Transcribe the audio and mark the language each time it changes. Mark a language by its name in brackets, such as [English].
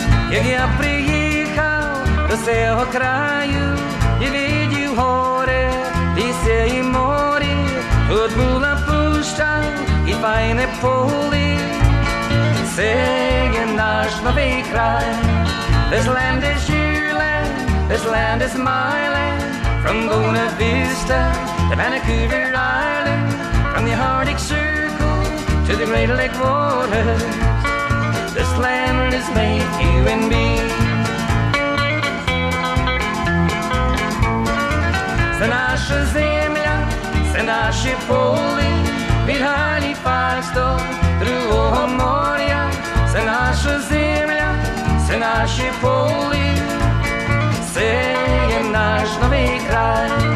[Ukrainian] Як я приїхав до сього краю і видів гори, ліси і морі, тут була пуща і файне полі, це є наш новий край. [English] This land is your land, this land is my land, from Buena Vista to Vancouver Island, from the Arctic Circle to the Great Lake waters, this land is made you and me. [Ukrainian] Це наша земля, це наші полі, від Галіфакса до другого моря. Це наша земля, це наші полі, це є наш новий край.